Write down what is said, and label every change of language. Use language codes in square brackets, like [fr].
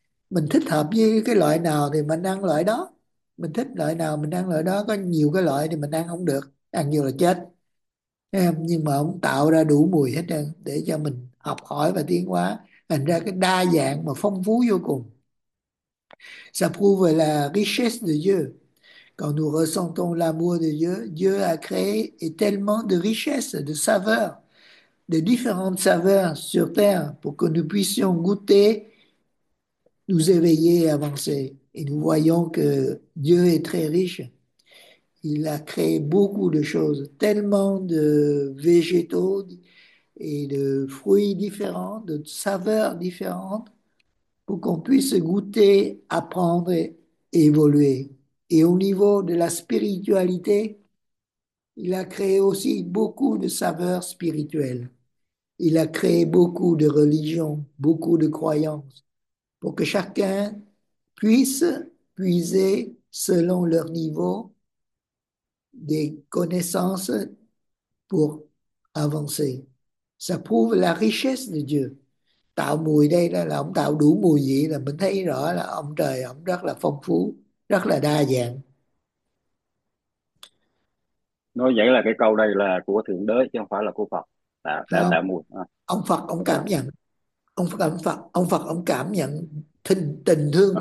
[vi] Mình thích hợp với cái loại nào thì mình ăn loại đó, mình thích loại nào mình ăn loại đó, có nhiều cái loại thì mình ăn không được, ăn nhiều là chết em. Nhưng mà ông tạo ra đủ mùi hết trơn để cho mình học hỏi và tiến hóa, thành ra cái đa dạng mà phong phú vô cùng. [fr] Ça prouve la richesse de Dieu. Quand nous ressentons l'amour de Dieu, Dieu a créé tellement de richesses, de saveurs, de différentes saveurs sur Terre pour que nous puissions goûter, nous éveiller et avancer. Et nous voyons que Dieu est très riche. Il a créé beaucoup de choses, tellement de végétaux et de fruits différents, de saveurs différentes, pour qu'on puisse goûter, apprendre et évoluer. Et au niveau de la spiritualité, il a créé aussi beaucoup de saveurs spirituelles. Il a créé beaucoup de religions, beaucoup de croyances, pour que chacun puisse puiser selon leur niveau des connaissances pour avancer. Ça prouve la richesse de Dieu. [vi] Tạo mùi đây là ông tạo đủ mùi vị, là mình thấy rõ là ông trời ông rất là phong phú, rất là đa dạng. Nói vậy là cái câu đây là của Thượng Đế chứ không phải là của Phật đã Không, tạo mùi à. ông Phật ông Ok cảm nhận, ông Phật ông cảm nhận tình thương